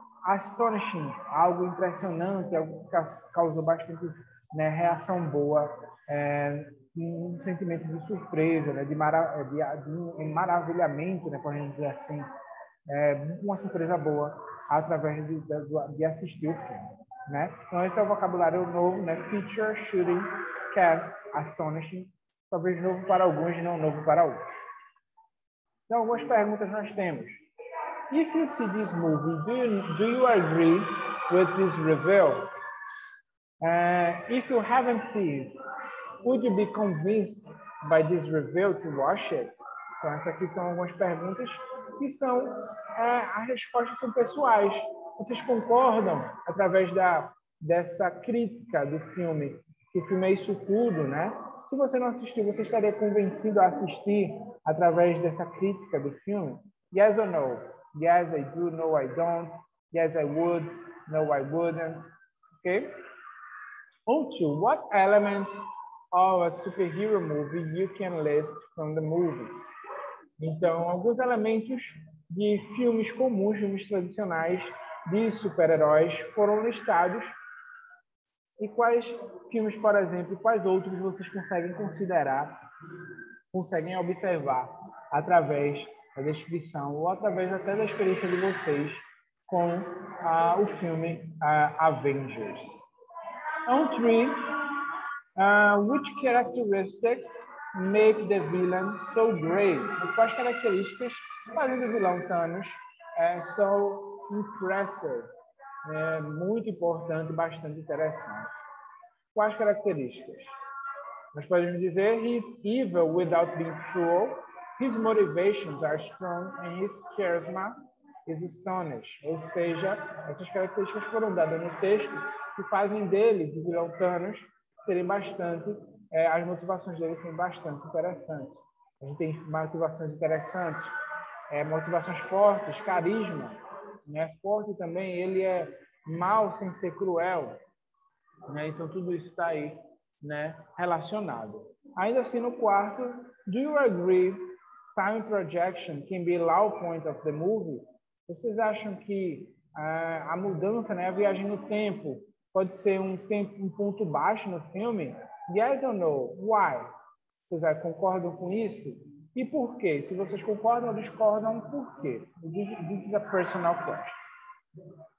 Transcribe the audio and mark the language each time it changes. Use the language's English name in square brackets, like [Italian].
[Portuguese] Astonishing, algo impressionante, algo que causou bastante, né, reação boa, um sentimento de surpresa, né, de maravilhamento, né, podemos dizer assim, uma surpresa boa através de assistir o filme. Né? Então, esse é o vocabulário novo, né? Feature, shooting, cast, astonishing, talvez novo para alguns e não novo para outros. Então, algumas perguntas nós temos. [English] If you see this movie, do you agree with this reveal? If you haven't seen it, would you be convinced by this reveal to watch it? [Portuguese] Então, essas aqui são algumas perguntas que são, as respostas são pessoais. Vocês concordam através dessa crítica do filme, que o filme é isso tudo, né? Se você não assistiu, você estaria convencido a assistir através dessa crítica do filme? [English] Yes or no? Yes, I do. No, I don't. Yes, I would. No, I wouldn't. Okay? On to what elements of a superhero movie you can list from the movie? [Portuguese] Então, alguns elementos de filmes comuns, filmes tradicionais de super-heróis foram listados. E quais filmes, por exemplo, quais outros vocês conseguem considerar, conseguem observar através da descrição ou através até da experiência de vocês com o filme Avengers? [English] On three, which characteristics make the villain so great? [Portuguese] Quais características fazem o vilão Thanos [English] so impressive? [Portuguese] É muito importante, bastante interessante. Quais características? Nós podemos dizer, [English] he's evil without being cruel, his motivations are strong, and his charisma is astonishing. [Portuguese] Ou seja, essas características foram dadas no texto que fazem dele, de vilão Thanos, serem bastante, as motivações dele serem bastante interessantes. A gente tem motivações interessantes, motivações fortes, carisma, né? Forte também, ele é mal sem ser cruel, né? Então tudo isso está aí, né, relacionado. Ainda assim, no quarto, [English] do you agree time projection can be a low point of the movie? [Portuguese] Vocês acham que a mudança, né, a viagem no tempo pode ser um ponto baixo no filme? [English] Yes or no? Why? [Portuguese] Vocês concordam com isso? E por quê? Se vocês concordam ou discordam, por quê? [English] This is a personal question.